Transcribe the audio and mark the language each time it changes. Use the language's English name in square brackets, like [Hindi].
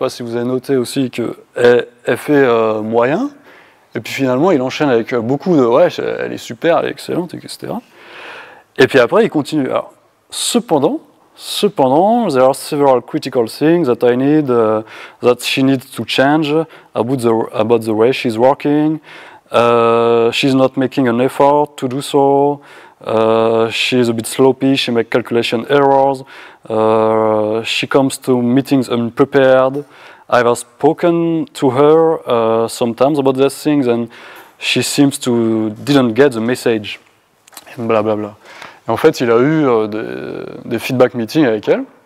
[French] Je ne sais pas si vous avez noté aussi qu'elle fait moyen. Et puis finalement, il enchaîne avec beaucoup de « Ouais, elle est super, elle est excellente, etc. » Et puis après, il continue. Alors, cependant, [English] there are several critical things that I need, that she needs to change about the way she's working. She's not making an effort to do so. She's a bit sloppy. She makes calculation errors. She comes to meetings unprepared. I've spoken to her sometimes about these things, and she seems to didn't get the message. Blablabla. [French] En fait, il a eu des feedback meetings avec elle.